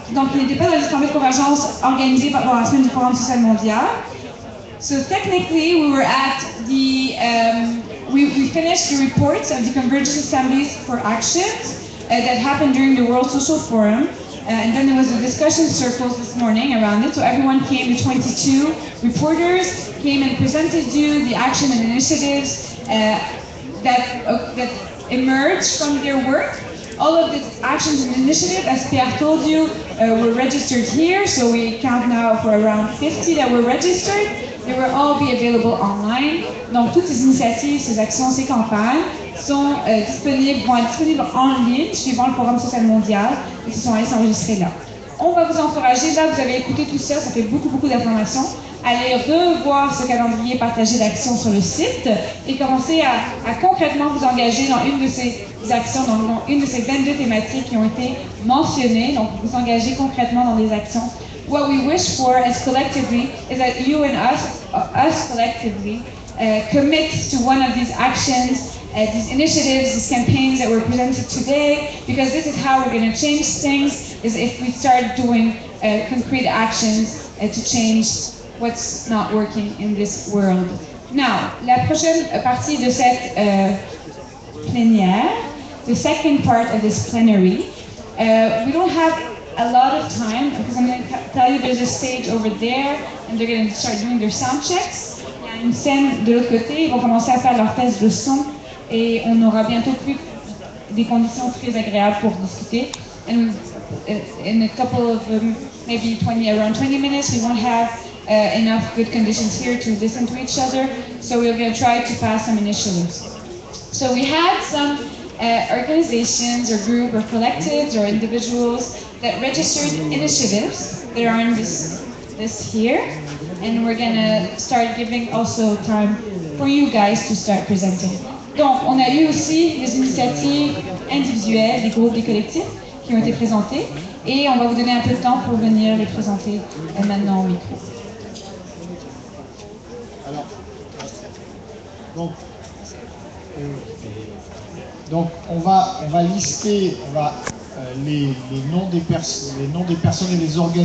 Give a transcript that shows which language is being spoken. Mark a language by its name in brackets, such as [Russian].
[French] qui n'était pas dans l'assemblée de convergence organisée pendant la semaine du Forum social mondial. [English] So technically, we were at the we finished the reports of the Convergence Assemblies for Actions that happened during the World Social Forum, and then there was a discussion circle this morning around it. So everyone came, the 22 reporters came and presented you the action and initiatives that emerged from their work. All of the actions and initiatives, as Pierre told you, were registered here. So we count now for around 50 that were registered. They will all be available online. [French] Donc toutes ces initiatives, ces actions, ces campagnes sont disponibles, vont être disponibles en ligne suivant le Forum social mondial et se sont allés s'enregistrer là. On va vous encourager, là vous avez écouté tout ça, ça fait beaucoup beaucoup d'informations, allez revoir ce calendrier partagé d'actions sur le site et commencer à concrètement vous engager dans une de ces actions, dans une de ces 22 thématiques qui ont été mentionnées, donc vous engager concrètement dans des actions. [English] What we wish for as collectively is that you and us collectively, commit to one of these actions, these initiatives, these campaigns that were presented today, because this is how we're going to change things, is if we start doing concrete actions to change what's not working in this world. Now, [French] la prochaine partie de cette plénière, [English] the second part of this plenary, we don't have a lot of time, because I'm going to tell you there's a stage over there and they're going to start doing their sound checks. [French] Il y a une scène de l'autre côté, ils vont commencer à faire leur test de son et on aura bientôt plus des conditions très agréables pour discuter. [English] And in a couple of, maybe 20, around 20 minutes, we won't have enough good conditions here to listen to each other. So we're going to try to pass some initiatives. So we had some organizations or group or collectives or individuals that registered initiatives that are in this here, and we're gonna start giving also time for you guys to start presenting. [French] Donc, on a eu aussi des initiatives individuelles, des groupes, des collectifs qui ont été présentés, et on va vous donner un peu de temps pour venir les présenter maintenant au micro. Alors, donc on va lister, on va les noms des personnes et les organismes.